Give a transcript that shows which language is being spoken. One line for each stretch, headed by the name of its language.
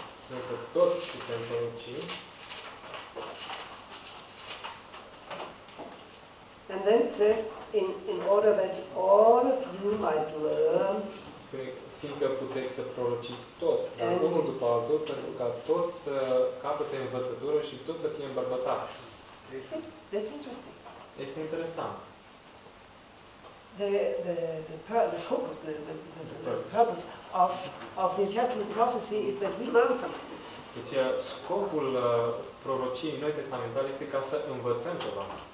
Romanian: Noi toți putem prorocii.
English: And then it says, in order that all of you might learn.
Romanian: Fiindcă puteți să prorociți toți, dar unul după altul, pentru ca toți să capete învățătură și toți să fie îmbărbătați.
English: That's interesting.
Romanian: Este interesant.
English: The focus, the purpose of the New Testament prophecy is that we learn something.
Romanian: Deci scopul prorociei Noi Testamentale este ca să învățăm ceva.